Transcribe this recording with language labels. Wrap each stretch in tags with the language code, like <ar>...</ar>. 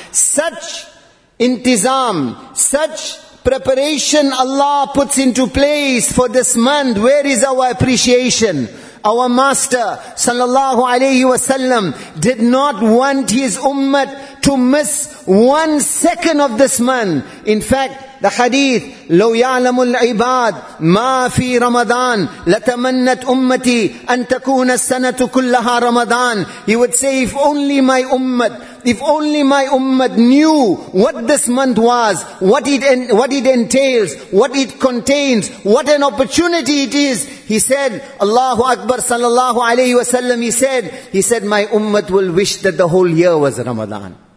<en>Such intizam, such preparation Allah puts into place for this month. Where is our appreciation? Our Master sallallahu alayhi wasallam did not want his ummah to miss one second of this month. In fact, the hadith,</en> <ar>لو يعلم العباد ما في رمضان لتمنت أمتي أن تكون السنة كلها رمضان.</ar> <en>He would say, if only my ummah knew what this month was, what it entails, what it contains, what an opportunity it is. He said, Allahu Akbar sallallahu alayhi wasallam, he said, my ummah will wish that the whole year was Ramadan.</en>